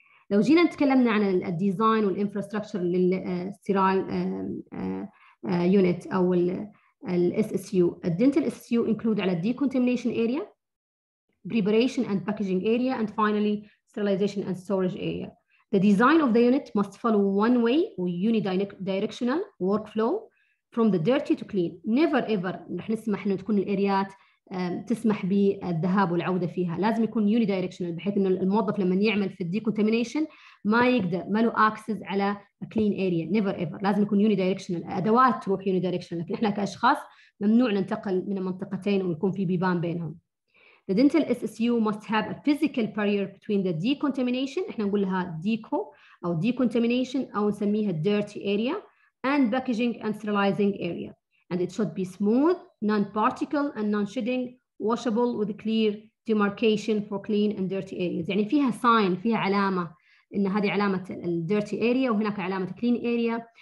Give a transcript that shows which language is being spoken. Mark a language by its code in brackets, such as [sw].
[ar] لو جينا تكلمنا عن [en] الديزاين والانفراستراكشر للسيرال يونت او الاس اس يو، الدنتال اس اس يو انكلود على الدي كونتامينيشن area, preparation and packaging area, and finally sterilization and storage area. The design of the unit must follow one way or unidirectional workflow from the dirty to clean. Never ever [ar] نحن نسمح انه تكون الاريات تسمح بالذهاب والعودة فيها، لازم يكون unidirectional بحيث انه الموظف لما يعمل في decontamination ما يقدر، ما له access على a clean area. [en] Never ever [ar] لازم يكون unidirectional، ادوات تروح unidirectional، لكن احنا كاشخاص ممنوع ننتقل من منطقتين ويكون في بيبان بينهم. [en] The dental SSU must have a physical barrier between the decontamination, [ar] احنا نقول لها deco او decontamination او نسميها dirty area, [en] and packaging and sterilizing area. And it should be smooth, non-particle and non-shedding, washable with clear demarcation for clean and dirty areas. [ar] يعني فيها sign، فيها علامة ان هذه علامة ال dirty area وهناك علامة clean area.